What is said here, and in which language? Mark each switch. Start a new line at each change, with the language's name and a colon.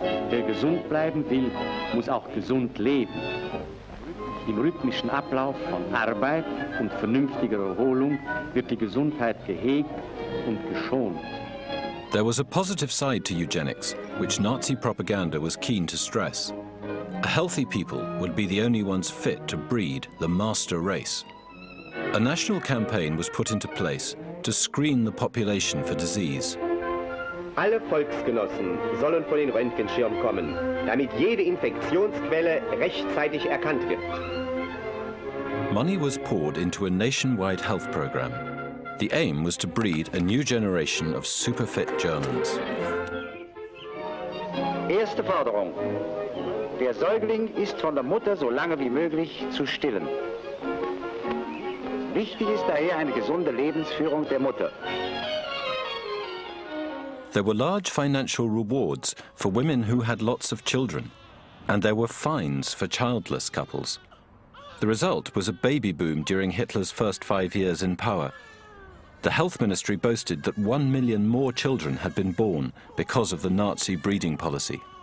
German: Wer gesund bleiben will, muss auch gesund leben. Im rhythmischen Ablauf von Arbeit und vernünftiger Erholung wird die Gesundheit gehegt und geschont.
English: There was a positive side to eugenics, which Nazi propaganda was keen to stress. A healthy people would be the only ones fit to breed the master race. A national campaign was put into place to screen the population for disease.
German: Alle Volksgenossen sollen vor den Röntgenschirm kommen, damit jede Infektionsquelle rechtzeitig erkannt wird.
English: Money was poured into a nationwide health program. The aim was to breed a new generation of superfit Germans.
German: Erste Forderung. Der Säugling ist von der Mutter so lange wie möglich zu stillen. Wichtig ist daher eine gesunde Lebensführung der Mutter.
English: There were large financial rewards for women who had lots of children, and there were fines for childless couples. The result was a baby boom during Hitler's first 5 years in power. The health ministry boasted that 1 million more children had been born because of the Nazi breeding policy.